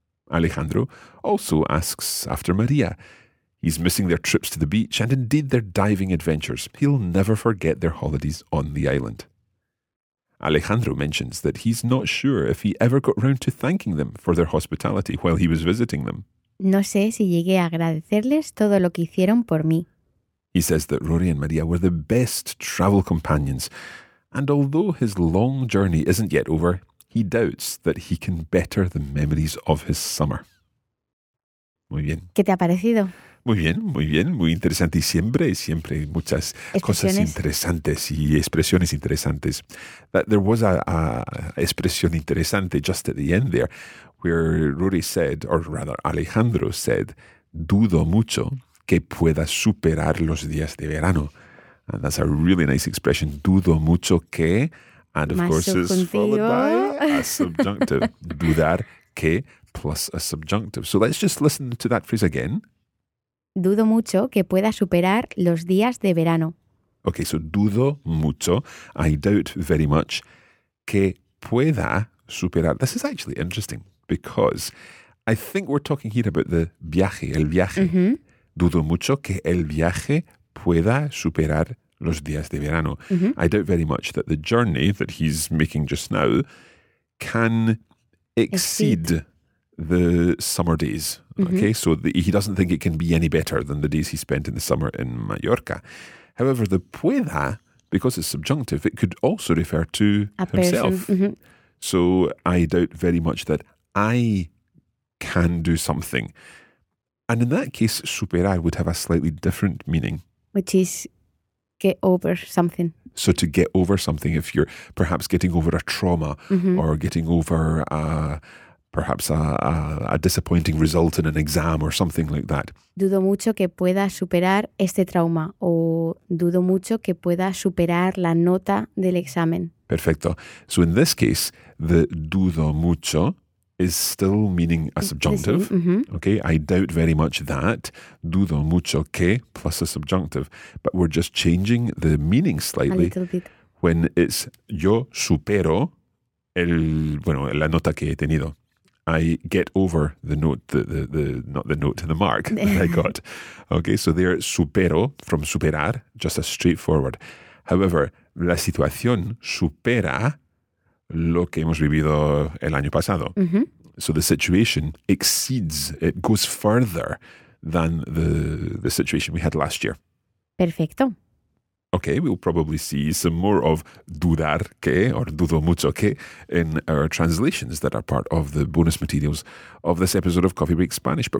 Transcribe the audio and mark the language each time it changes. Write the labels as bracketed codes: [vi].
[en] Alejandro also asks after Maria. He's missing their trips to the beach and indeed their diving adventures. He'll never forget their holidays on the island. Alejandro mentions that he's not sure if he ever got round to thanking them for their hospitality while he was visiting them. [es] No sé si llegué a agradecerles todo lo que hicieron por mí. [en] He says that Rory and Maria were the best travel companions, and although his long journey isn't yet over, he doubts that he can better the memories of his summer. [es] Muy bien. ¿Qué te ha parecido? Muy bien, muy bien. Muy interesante. Y siempre muchas cosas interesantes y expresiones interesantes. [en] That there was a [es] expresión interesante [en] just at the end there, where Rory said, or rather Alejandro said, [es] dudo mucho que pueda superar los días de verano. [en] And that's a really nice expression. [es] Dudo mucho que. [en] And of course, it's followed by a subjunctive. [es] Dudar que [en] plus a subjunctive. So let's just listen to that phrase again. [es] Dudo mucho que pueda superar los días de verano. [en] Okay, so [es] dudo mucho. [en] I doubt very much [es] que pueda superar. [en] This is actually interesting because I think we're talking here about the viaje, [es] el viaje. Mm-hmm. Dudo mucho que el viaje pueda superar los días de verano. Mm-hmm. [en] I doubt very much that the journey that he's making just now can exceed the summer days. Mm-hmm. Okay, so he doesn't think it can be any better than the days he spent in the summer in Mallorca. However, the pueda, because it's subjunctive, it could also refer to himself. Mm-hmm. So I doubt very much that I can do something. And in that case, superar would have a slightly different meaning. Which is get over something. So to get over something, if you're perhaps getting over a trauma, mm-hmm. or getting over a disappointing result in an exam or something like that. [es] Dudo mucho que pueda superar este trauma o dudo mucho que pueda superar la nota del examen. Perfecto. [en] So in this case, the dudo mucho is still meaning a subjunctive. [es] Sí, sí. Mm-hmm. [en] Okay, I doubt very much that. [es] Dudo mucho que [en] plus a subjunctive. But we're just changing the meaning slightly. A little bit. [es] When it's yo supero la nota que he tenido. [en] I get over the note, the mark that I got. Okay, so there, supero from superar, just a straightforward. [es] However, la situación supera lo que hemos vivido el año pasado. Mm-hmm. [en] So the situation exceeds, it goes further than the situation we had last year. [es] Perfecto. [en] Okay, we'll probably see some more of [es] dudar que [en] or [es] dudo mucho que [en] in our translations that are part of the bonus materials of this episode of Coffee Break Spanish.